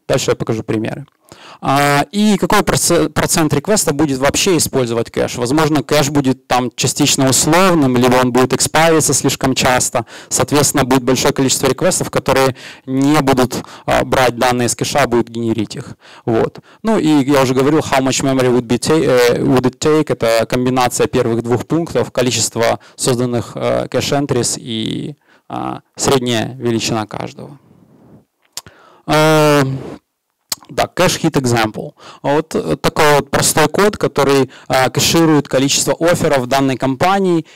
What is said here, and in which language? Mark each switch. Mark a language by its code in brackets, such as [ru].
[ru] Дальше я покажу примеры. И какой процент реквеста будет вообще использовать кэш? Возможно, кэш будет там частично условным, либо он будет экспариться слишком часто. Соответственно, будет большое количество реквестов, которые не будут брать данные из кэша, а будут генерить их. Вот. Ну и я уже говорил, [en] how much memory would it take? [ru] Это комбинация первых двух пунктов, количество созданных кэш-энтрис и средняя величина каждого. Да, кэш-хит example. Вот такой вот простой код, который кэширует количество офферов данной компании.